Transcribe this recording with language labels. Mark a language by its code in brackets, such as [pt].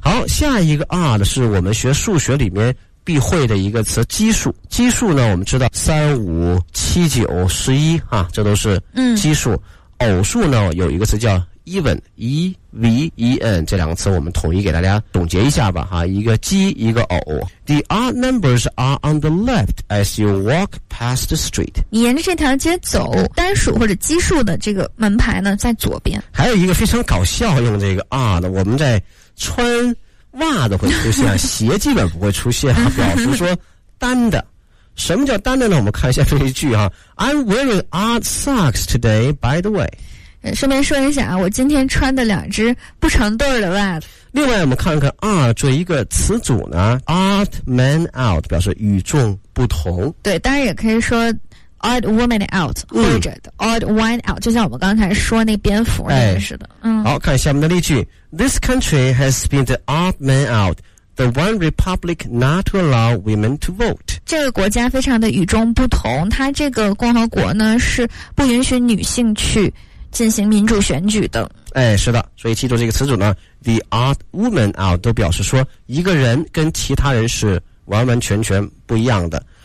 [zh] 好，下一个 odd 是我们学数学里面必会的一个词，奇数。奇数呢，我们知道3、5、7、9、11啊，这都是奇数。偶数呢，有一个词叫 even， 一 V-E-N 这两个词我们统一给大家总结一下吧哈，一个鸡一个偶。 [en] The odd numbers are on the left as you walk past the street. [zh] 你沿着这条街走，单数或者奇数的这个门牌呢在左边。还有一个非常搞笑用这个 odd， 我们在穿袜子会出现，鞋基本不会出现哈，表示说单的。什么叫单的呢？我们看一下这一句哈， [en] I'm wearing odd socks today by the way， [zh] 顺便说一下啊，我今天穿的两只不成对的袜子。另外我们看看 odd 作为一个词组呢， odd man out 表示与众不同。对，当然也可以说 [en] odd woman out [zh] 或者 [en] odd wine out， [zh] 就像我们刚才说那蝙蝠那个似的。好，看下面的例句。 [en] This country has been the odd man out, the one republic not to allow women to vote. [zh] 这个国家非常的与众不同，它这个共和国呢是不允许女性去进行民主选举的。哎，是的，所以记住这个词组呢 [en] The odd woman out [zh] 都表示说一个人跟其他人是完完全全不一样的。